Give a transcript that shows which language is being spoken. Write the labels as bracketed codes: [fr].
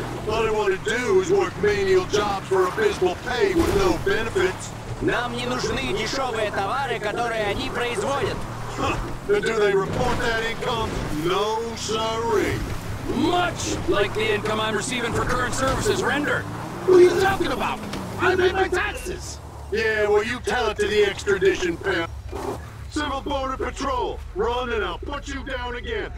[en] All they want to do is work menial jobs for abysmal pay with no benefits. [ru] Нам не нужны дешевые товары, которые они производят. [en] And do they report that income? No, sorry. Much like the income I'm receiving for current services rendered. Who are you talking about? I made my taxes! Yeah, well, you tell it to the extradition pimp. Civil Border Patrol, run and I'll put you down again.